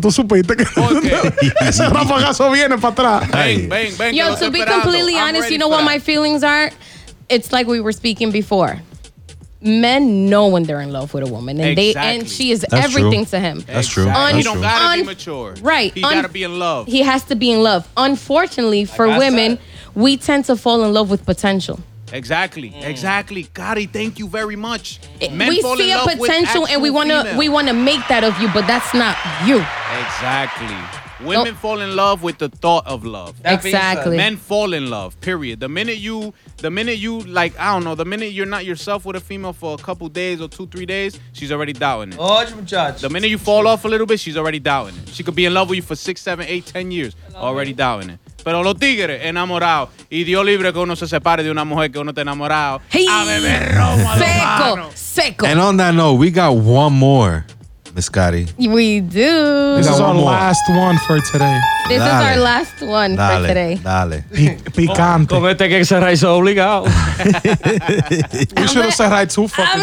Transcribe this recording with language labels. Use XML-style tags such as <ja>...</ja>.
<es>Tú supiste que ese rafagazo viene para atrás. Bang.</es> <en>Yo, to be completely honest, you know what my feelings are? It's like we were speaking before. Men know when they're in love with a woman, and she is everything to him. That's true. He don't gotta be mature. Right. He gotta be in love. He has to be in love. Unfortunately, for women, we tend to fall in love with potential. Exactly. Gotti, thank you very much. We see a potential and we wanna make that of you, but that's not you. Exactly. Women fall in love with the thought of love. Men fall in love, period. The minute you're not yourself with a female for a couple days or 2-3 days, she's already doubting it. Oh, judge. The minute you fall off a little bit, she's already doubting it. She could be in love with you for 6, 7, 8, 10 years, already doubting it.</en> <es>Pero los tigres enamorados y Dios libre que uno se separe de una mujer que uno está enamorado.</es> <en>Hey.</en> <es>A beber romo. Seco, seco.</es> <en>And on that note, we got one more. Miss Scotty. We do. This is our last one for today. This is our last one for today.</en> <es>Picante. Con este que cerrar es obligado.</es> <en>We should have</en> <es>cerrar</es> <en>two fucking</en>